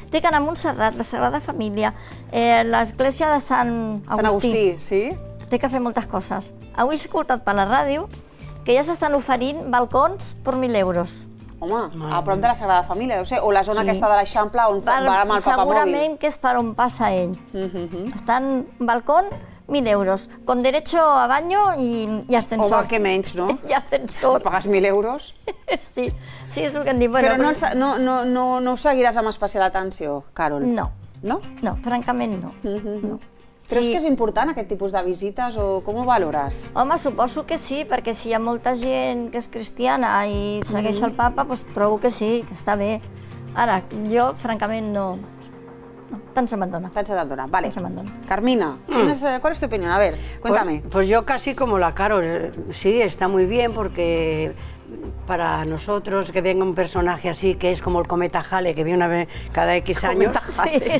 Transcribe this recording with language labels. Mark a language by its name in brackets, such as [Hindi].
[Catalan] He d'anar a Montserrat, la Sagrada Família, l'església de Sant Agustí. Sant Agustí, sí. He de fer moltes coses. Avui he escoltat per la ràdio que ja s'estan oferint balcons per 1.000 euros. Home, a prop de la Sagrada Família, deu ser, o la zona sí. Aquesta de l'Eixample on va amb el papamòbil. Segurament que és per on passa ell. Uh-huh. Estan balcons. [Spanish] 1.000 euros, con derecho a baño y ascensor. [Catalan] Home, que menys, no? I ascensor. Pagues 1.000 euros? Sí, sí, és el que em dic. Bueno, però no, pues... no ho seguiràs amb especial atenció, Carol? No. No? No, francament no. Mm-hmm. No. Creus sí. Que és important aquest tipus de visites o com ho valores? Home, suposo que sí, perquè si hi ha molta gent que és cristiana i segueix el papa, doncs trobo que sí, que està bé. Ara, jo, francament, no. Tant se m'adona. Tant se m'adona, vale. Tant se m'adona. [Spanish] Carmina, ¿cuál es tu opinión? A ver, cuéntame. Pues yo casi como la Carol. Sí, está muy bien porque para nosotros que venga un personaje así, que es como el Cometa Halley, que viene una vez cada X años. Cometa Halley.